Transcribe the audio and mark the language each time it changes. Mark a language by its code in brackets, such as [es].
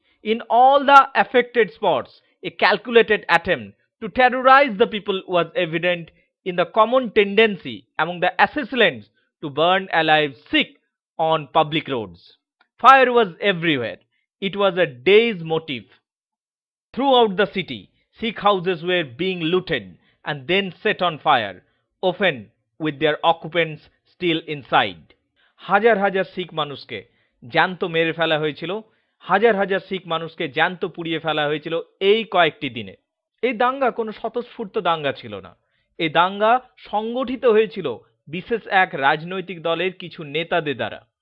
[en] In all the affected spots a calculated attempt to terrorise the people was evident in the common tendency among the assailants to burn alive Sikh on public roads. Fire was everywhere, it was a days motive. Throughout the city, Sikh houses were being looted and then set on fire, often with their occupants still inside. [bn] হাজার হাজার শিখ মানুষকে জ্যান্ত মেরে ফেলা হয়েছিল, হাজার হাজার শিখ মানুষকে জ্যান্ত পুড়িয়ে ফেলা হয়েছিল এই কয়েকটি দিনে। এই দাঙ্গা কোনো স্বতঃস্ফূর্ত দাঙ্গা ছিল না, এই দাঙ্গা সংগঠিত হয়েছিল বিশেষ এক রাজনৈতিক দলের কিছু নেতাদের দ্বারা।